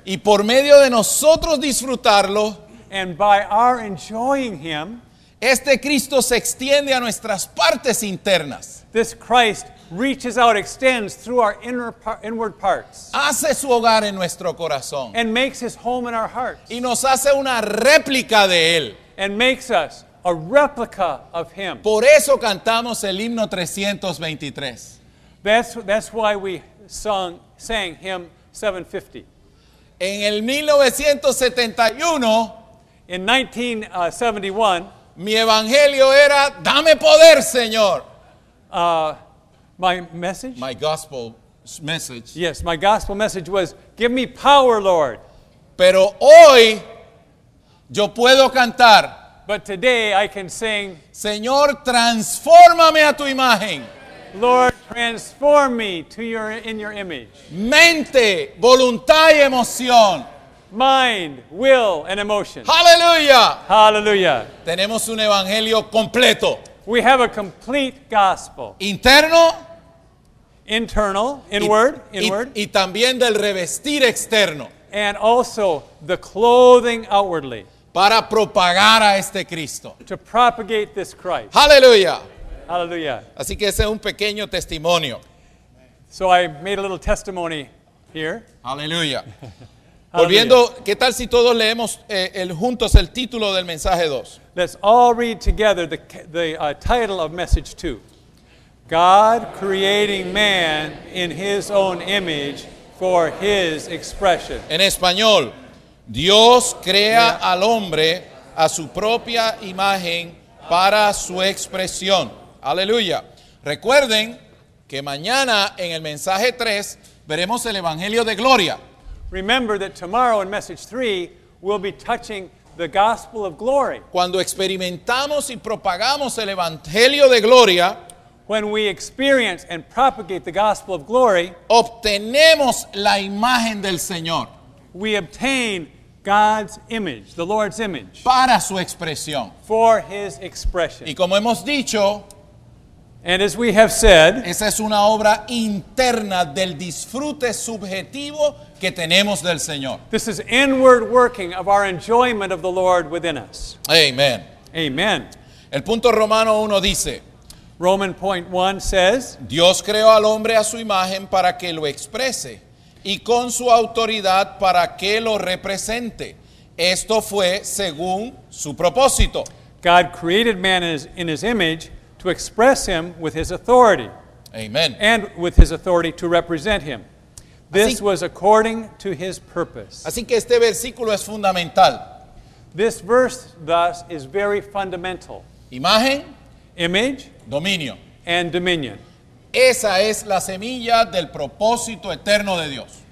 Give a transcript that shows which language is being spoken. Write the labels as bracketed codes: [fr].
[es] Y por medio de nosotros disfrutarlo. [en] And by our enjoying him. [es] Este Cristo se extiende a nuestras partes internas. [en] This Christ reaches out, extends through our inward parts. [es] Hace su hogar en nuestro corazón. [en] And makes his home in our hearts. [es] Y nos hace una réplica de él. [en] And makes us a replica of him. [es] Por eso cantamos el himno 323. [en] That's why we sang hymn 750. [es] En el 1971. [en] In 1971. [es] Mi evangelio era, dame poder, Señor. [en] My message? My gospel message. Yes, my gospel message was, give me power, Lord. [es] Pero hoy, yo puedo cantar. [en] But today I can sing, [es] Señor, transfórmame a tu imagen. [en] Lord, transform me to your in your image. [es] Mente, voluntad y emoción. [en] Mind, will, and emotion. Hallelujah. Hallelujah. [es] Tenemos un evangelio completo. [en] We have a complete gospel. [es] Interno. [en] Internal, inward, inward. [es] Y también del revestir externo. [en] And also the clothing outwardly. [es] Para propagar a este Cristo. [en] To propagate this Christ. Hallelujah. Hallelujah. [es] Así que ese es un pequeño testimonio. [en] So I made a little testimony here. Hallelujah. [es] Volviendo, ¿qué tal si todos leemos juntos el título del mensaje 2? [en] Let's all read together the title of message 2. God creating man in his own image for his expression. [es] En español, Dios crea al hombre a su propia imagen para su expresión. Aleluya. Recuerden que mañana en el mensaje 3 veremos el Evangelio de Gloria. [en] Remember that tomorrow in message 3 we'll be touching the gospel of glory. [es] Cuando experimentamos y propagamos el Evangelio de Gloria, [en] when we experience and propagate the gospel of glory, [es] obtenemos la imagen del Señor. [en] We obtain God's image, the Lord's image. [es] Para su expresión. [en] For his expression. [es] Y como hemos dicho, [en] and as we have said, [es] esa es una obra interna del disfrute subjetivo que tenemos del Señor. [en] This is inward working of our enjoyment of the Lord within us. Amen. Amen. [es] El punto Romano 1 dice, [en] Roman point 1 says, [es] Dios creó al hombre a su imagen para que lo exprese y con su autoridad para que lo represente. Esto fue según su propósito. [en] God created man in his image to express him with his authority. Amen. And with his authority to represent him. This was according to his purpose. [es] Así que este versículo es fundamental. [en] This verse thus is very fundamental. [es] Imagen, [en] image, [es] dominio, [en] and dominion. [es] Esa es la semilla del propósito eterno de Dios.